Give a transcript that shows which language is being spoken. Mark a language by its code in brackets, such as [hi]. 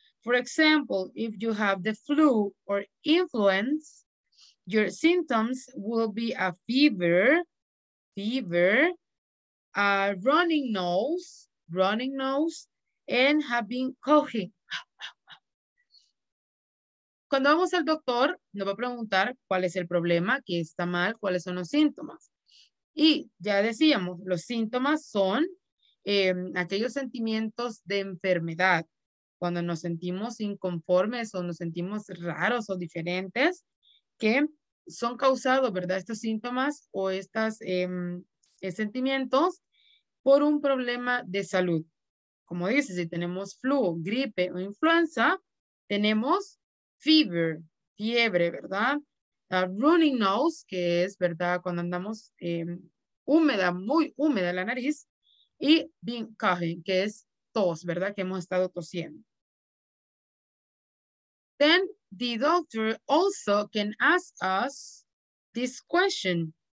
[en] For example, if you have the flu or influenza, your symptoms will be a fever, a running nose, and having coughing. [es] Cuando vamos al doctor, nos va a preguntar cuál es el problema, qué está mal, cuáles son los síntomas. Y ya decíamos, los síntomas son aquellos sentimientos de enfermedad. Cuando nos sentimos inconformes o nos sentimos raros o diferentes, que son causados, ¿verdad? Estos síntomas o estos sentimientos por un problema de salud. Como dice, si tenemos flu, gripe o influenza, tenemos fever, fiebre, ¿verdad? [en] A running nose, [es] que es, ¿verdad? Cuando andamos húmeda, muy húmeda la nariz, y [en] being coughing, [es] que es tos, ¿verdad? Que hemos estado tosiendo. [en] Then the doctor also can ask us this question.